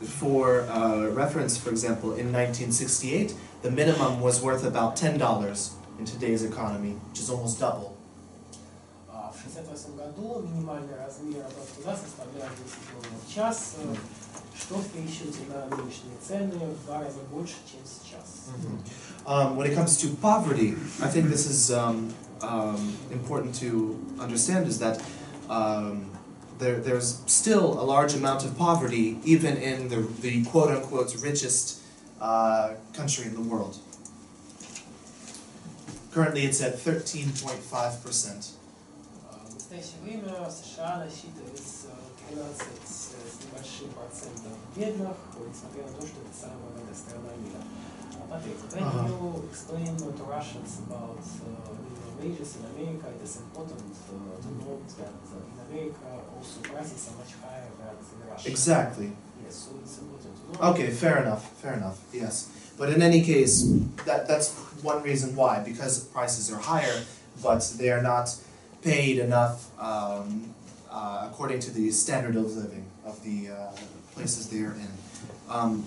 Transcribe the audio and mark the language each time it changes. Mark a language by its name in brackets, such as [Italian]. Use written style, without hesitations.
[English] For reference, for example, in 1968, the minimum was worth about $10 in today's economy, which is almost double. [Russian] В 68 году минимальный размер оплаты труда составлял 10 долларов в час, что в пересчете на нынешние цены в два раза больше, чем сейчас. [English] When it comes to poverty, I think this is important to understand is that there's still a large amount of poverty even in the quote unquote richest country in the world. Currently it's at 13.5%. [Russian] В настоящее время в США насчитывается 13 с небольшим процентом бедных, несмотря на то, что это самая богатая страна мира. [English] Патрик, can you explain to Russians about minimum wages in America? It is important to note that in America also prices are much higher than in Russia. Exactly. So okay, fair enough, yes. But in any case, that's one reason why, because prices are higher, but they are not paid enough according to the standard of living of the places they are in.